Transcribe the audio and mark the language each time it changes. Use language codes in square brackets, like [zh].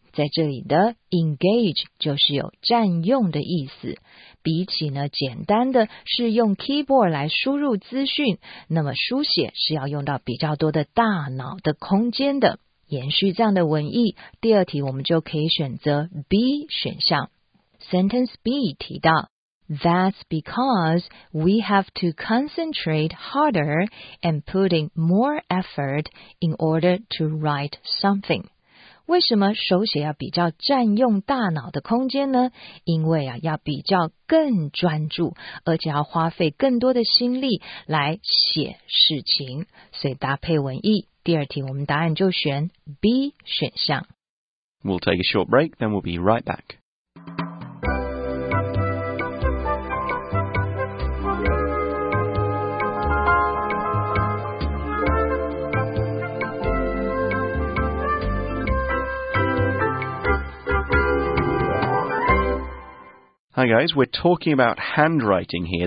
[zh] 在这里的 engage 就是有占用的意思，比起呢简单的是用 keyboard 来输入资讯，那么书写是要用到比较多的大脑的空间的。延续这样的文意，第二题我们就可以选择 B 选项。 [en] Sentence B [zh] 提到 [en] That's because we have to concentrate harder and putting more effort in order to write something. [zh] 为什么手写要比较占用大脑的空间呢？因为啊，要比较更专注，而且要花费更多的心力来写事情。所以搭配文意，第二题我们答案就选 B 选项。 [en] We'll take a short break, then we'll be right back. Hi guys, we're talking about handwriting here.